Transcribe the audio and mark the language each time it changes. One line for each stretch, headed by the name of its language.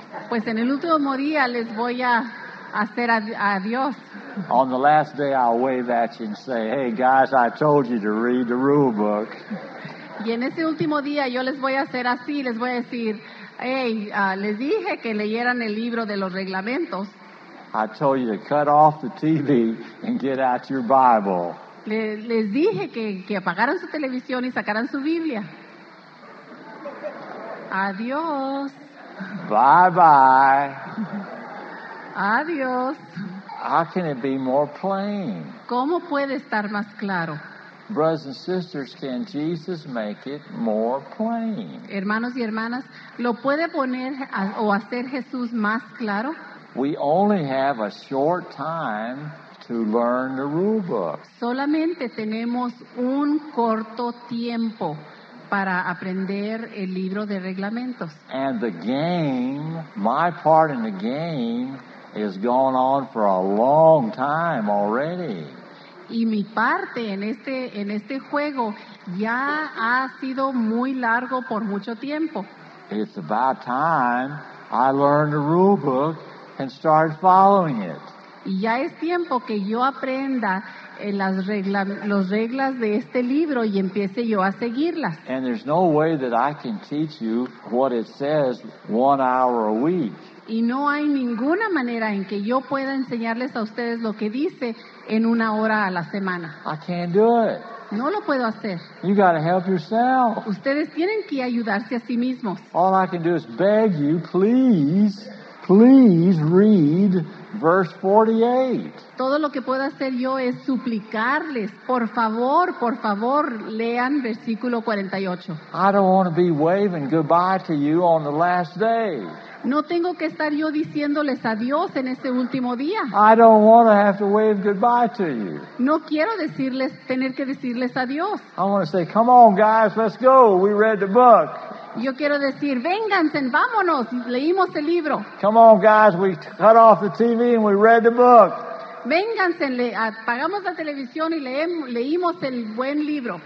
Spanish: Pues en el último día les voy a hacer adiós.
English: On the last day, I'll wave at you and say, hey, guys, I told you to read the rule book.
Spanish: Y en ese último día, yo les voy a hacer así, les voy a decir, hey, les dije que leyeran el libro de los reglamentos.
English: I told you to cut off the TV and get out your Bible.
Spanish: Les dije que apagaran su televisión y sacaran su Biblia. Adiós.
English: Bye bye.
Spanish: Adiós.
English: How can it be more plain?
Spanish: ¿Cómo puede estar más claro?
English: Brothers and sisters, can Jesus make it more plain?
Spanish: Hermanos y hermanas, ¿lo puede poner o hacer Jesús más claro?
English: We only have a short time to learn the rule book.
Spanish: Solamente tenemos un corto tiempo para aprender el libro de reglamentos.
English: And the game, my part in the game, has gone on for a long time already.
Spanish: Y mi parte en este juego ya ha sido muy largo por mucho tiempo.
English: It's about time I learned the rule book and start following it.
Spanish: Y ya es tiempo que yo aprenda las reglas de este libro y empiece yo a seguirlas.
English: And there's no way that I can teach you what it says 1 hour a week.
Spanish: Y no hay ninguna manera en que yo pueda enseñarles a ustedes lo que dice en 1 hora a la semana.
English: I can't do it.
Spanish: No lo puedo hacer.
English: You gotta help yourself.
Spanish: Ustedes tienen que ayudarse a sí mismos.
English: All I can do is beg you, please, please read verse 48.
Spanish: Todo lo que puedo hacer yo es suplicarles, por favor, lean versículo 48.
English: I don't want to be waving goodbye to you on the last day.
Spanish: No tengo que estar yo diciéndoles adiós en ese último día.
English: I don't want to have to wave goodbye to you.
Spanish: No quiero decirles, tener que decirles adiós.
English: I want to say, come on guys, let's go, we read the book.
Spanish: Yo quiero decir, vénganse, vámonos, leímos el libro.
English: Come on guys, we cut off the TV and we read the book.
Spanish: Vénganse, apagamos la televisión y leímos el buen libro.